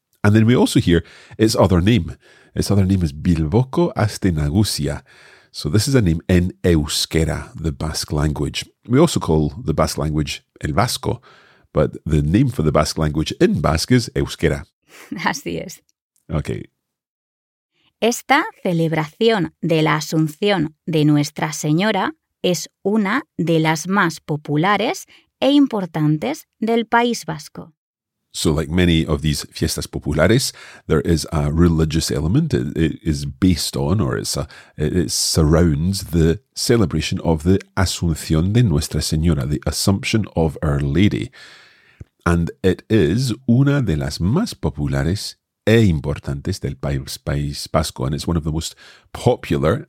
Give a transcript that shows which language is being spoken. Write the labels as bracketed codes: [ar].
[en] And then we also hear its other name. Its other name is Bilboko Aste Nagusia. So this is a name [es] en euskera, [en] the Basque language. We also call the Basque language El Vasco, but the name for the Basque language in Basque is euskera. [es] Así es. [en] Okay. [es] Esta celebración de la Asunción de Nuestra Señora es una de las más populares e importantes del País Vasco. [en] So like many of these [es] fiestas populares, [en] there is a religious element. It is based on, or it surrounds the celebration of the Asunción de Nuestra Señora, the Assumption of Our Lady. And it is [es] una de las más populares e importantes del País Vasco, [en] and it's one of the most popular.